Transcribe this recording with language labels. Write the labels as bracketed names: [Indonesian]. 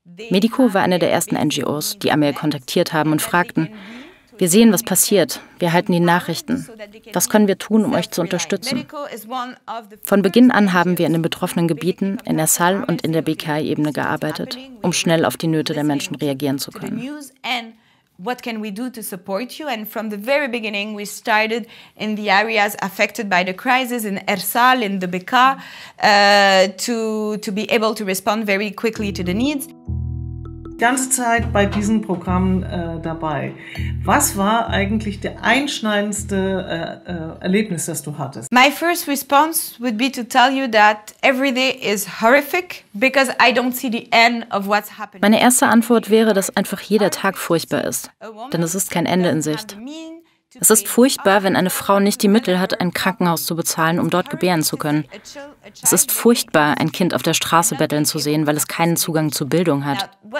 [German] Medico war eine der ersten NGOs, die Amel kontaktiert haben und fragten: Wir sehen, was passiert. Wir halten die Nachrichten. Was können wir tun, um euch zu unterstützen? Von Beginn an haben wir in den betroffenen Gebieten, in Ersal und in der BKI-Ebene gearbeitet, um schnell auf die Nöte der Menschen reagieren zu können. [English] What can we do to support you? And from the very beginning, we started in the areas affected by the crisis in Ersal, in the Bekaa, to be able to respond very quickly to the needs. [German] Die ganze Zeit bei diesen Programmen dabei. Was war eigentlich der einschneidendste Erlebnis, das du hattest? [English] My first response would be to tell you that every day is horrific because I don't see the end of what's happening. [German] Meine erste Antwort wäre, dass einfach jeder Tag furchtbar ist, denn es ist kein Ende in Sicht. Es ist furchtbar, wenn eine Frau nicht die Mittel hat, ein Krankenhaus zu bezahlen, um dort gebären zu können. Es ist furchtbar, ein Kind auf der Straße betteln zu sehen, weil es keinen Zugang zu Bildung hat.